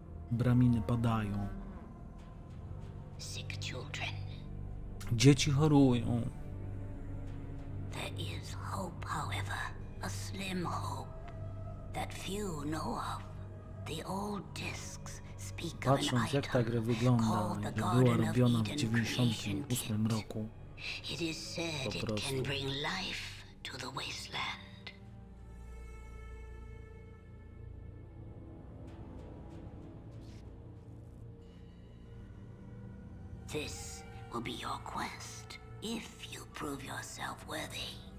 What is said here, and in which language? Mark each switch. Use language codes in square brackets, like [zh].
[pl] Braminy padają. [en] Sick children. [pl] Dzieci chorują. [en] There is hope, however, a slim hope that few know of. The old discs speak of an item [pl] patrząc, jak ta gra wygląda, jak była robiona w 98 roku. [en] It is said it can bring life to the wasteland. This will be your quest if you prove yourself worthy.